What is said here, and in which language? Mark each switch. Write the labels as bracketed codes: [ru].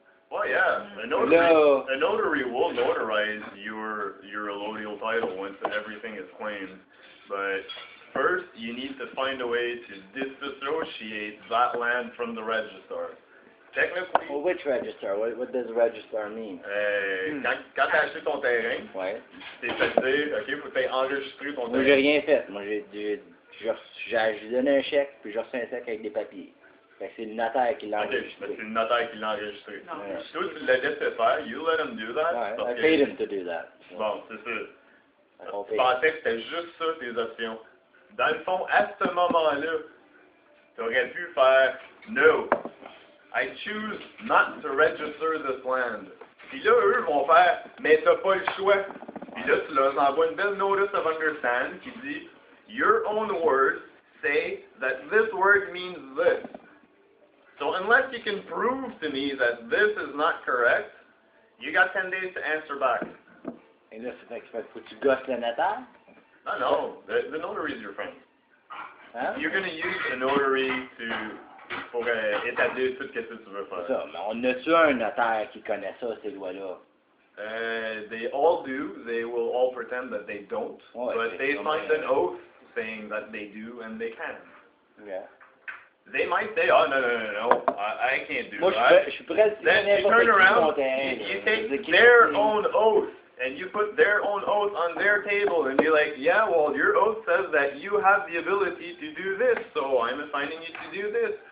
[en] Well, yeah, a notary will notarize your allodial title once everything is claimed, but first you need to find a way to disassociate that land from the registrar. Technically... Well, which registrar? What does registrar mean? [fr] Quand t'as acheté ton terrain, t'es fait dire, ok, faut t'es enregistré ton terrain. Moi, j'ai rien fait. Moi, j'ai donné un chèque, puis j'ai reçu un chèque avec des papiers. Fait que c'est le notaire qui l'a enregistré. Okay, c'est le notaire qui l'a enregistré. Si toi, tu l'as laissé faire, [en] you let him do that. Ouais, I paid him to do that. [fr] Bon, c'est ça. Tu pensais que c'était juste ça, tes options. Dans le fond, à ce moment-là, tu aurais pu faire, [en] no, I choose not to register this land. [fr] Puis là, eux vont faire, mais t'as pas le choix. Puis là, tu leur envoies une belle [en] notice of understand [fr] qui dit, [en] your own words say that this word means this. So unless you can prove to me that this is not correct, you got 10 days to answer back. And this is expect what you got the notary? No, the notary is your friend. [fr] Hein? [en] You're gonna use the notary [fr] pour établir tout ce que tu veux faire. Ça, mais on a-tu un notaire qui connaît ça, ces lois-là? [en] They all do. They will all pretend that they don't. [fr] Ouais, [en] but they find an oath saying that they do and they can. Yeah. They might say, oh, no, I can't do that. Then you turn around, you take their own oath, and you put their own oath on their table, and you're like, yeah, well, your oath says that you have the ability to do this, so I'm assigning you to do this.